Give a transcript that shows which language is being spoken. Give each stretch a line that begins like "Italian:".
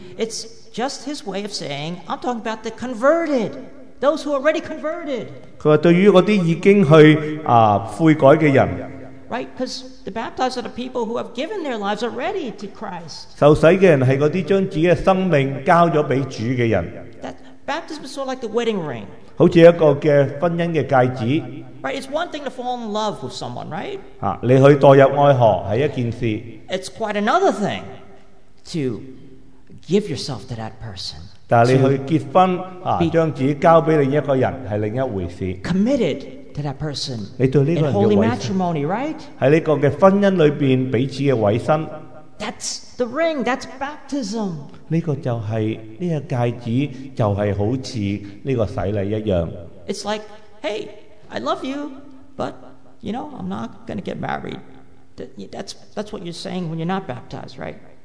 English: It's just his way of saying, I'm talking about the converted, those who are already converted.
Chinese: 他说对于那些已经去悔改的人,
English: right, because the baptized are the people who have given their lives already to Christ.
Chinese: 受洗的人是那些将自己的生命交了给主的人.
English: That baptism is sort of like the wedding ring.
Chinese: 好像一个婚姻的戒指.
English: Right, it's one thing to fall in love with someone, right?
Chinese: 你去代入爱河是一件事.
English: It's quite another thing to give yourself to that person.
Chinese: 但你去结婚，将自己交给另一个人，是另一回事.
English: Committed to that person in holy matrimony, right?
Chinese: 在这个婚姻里面彼此的委身.
English: That's the ring, that's baptism.
Chinese: 这个戒指就是好像这个洗礼一样.
English: It's like, hey, I love you, but you know, I'm not going to get married. That's what you're saying when you're not baptized, right?